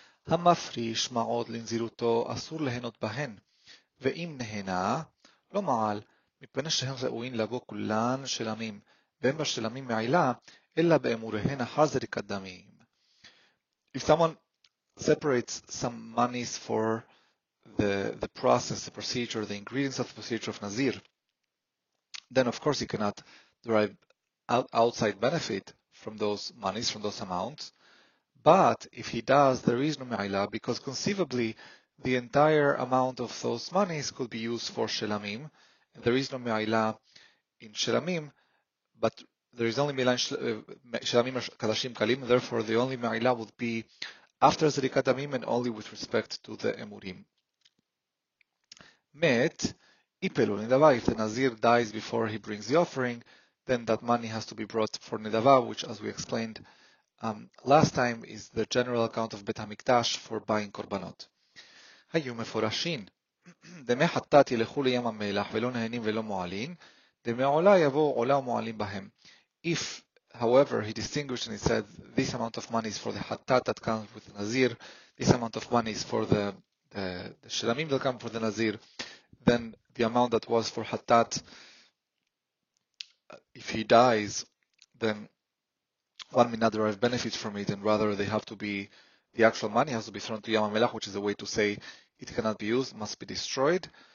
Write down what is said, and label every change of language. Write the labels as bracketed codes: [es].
[he] Hamafrish ma'od linziruto asur lehenot bahen, ve'im nehena lo ma'al, מפני שהן ראויים לבוא כולן שלמים, ואין בשלמים מעילה, אלא באמוריהן אחר זריקת דמים. [en] If someone separates some monies for the process, the procedure, the ingredients of the procedure of Nazir, then of course he cannot derive outside benefit from those monies, from those amounts. But if he does, there is no me'ilah, because conceivably the entire amount of those monies could be used for Shelamim. There is no me'ilah in shelamim, but there is only me'ilah in shelamim kadashim kalim. Therefore, the only me'ilah would be after zrikat damim and only with respect to the emurim. [he] Met ipelu nedava. [en] If the nazir dies before he brings the offering, then that money has to be brought for nedava, which, as we explained last time, is the general account of bet hamikdash for buying korbanot. [he] Hayu meforashin. דמי חטאת ילכו לים המלח ולא נהנים ולא מועלים, דמי עולה יבואו עולה ומועלים בהם. [en] If, however, he distinguished and he said, this amount of money is for the חטאת that comes with the Nazir, this amount of money is for the שלמים that come for the Nazir, then the amount that was for חטאת, if he dies, then one may not derive benefit from it, and rather they have to be, the actual money has to be thrown to ים המלח, which is a way to say, it cannot be used, must be destroyed.